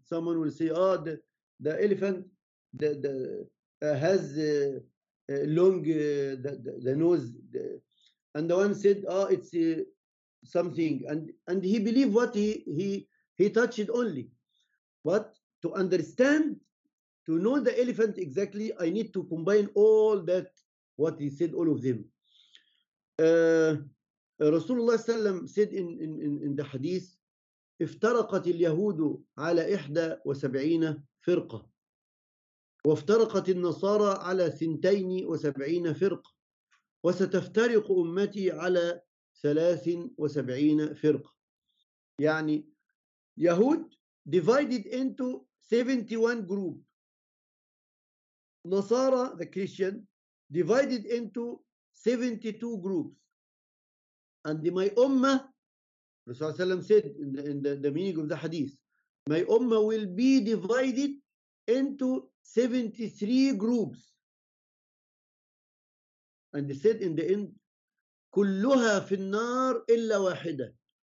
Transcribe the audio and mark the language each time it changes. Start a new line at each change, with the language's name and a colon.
English: Someone will say, oh, the elephant has long nose. And the one said, oh, it's something. And he believed what he touched only. But to understand, to know the elephant exactly, I need to combine all that. What he said, all of them. Rasulullah sallam said in the hadith,
Arabic: افترقت اليهود على 71 فرقة وافترقت النصارى على 72 فرقة وستفترق أمتي على 73 فرقة.
English: يعني يهود divided into 71 group. نصارى, the Christian, divided into 72 groups. And my ummah, Rasulullah said in the meaning of the hadith, my ummah will be divided into 73 groups. And he said in the end,
Arabic: كلها في النار إلا واحدة.